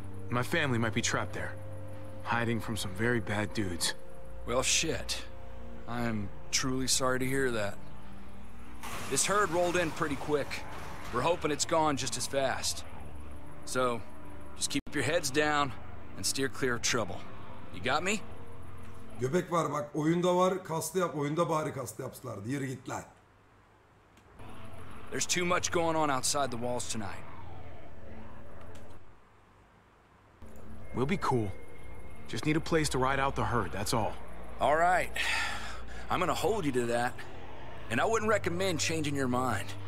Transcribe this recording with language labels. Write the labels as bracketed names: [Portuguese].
[English] My family might be trapped there, hiding from some very bad dudes. Well, shit. I'm truly sorry to hear that. This herd rolled in pretty quick. We're hoping it's gone just as fast. So, just keep your heads down and steer clear of trouble. You got me? [Turkish] Göbek var bak, oyunda var, kaslı yap, oyunda bari kaslı yapsalardı. Yürü git lan. [English] There's too much going on outside the walls tonight. We'll be cool. Just need a place to ride out the herd, that's all. All right. I'm gonna hold you to that. And I wouldn't recommend changing your mind.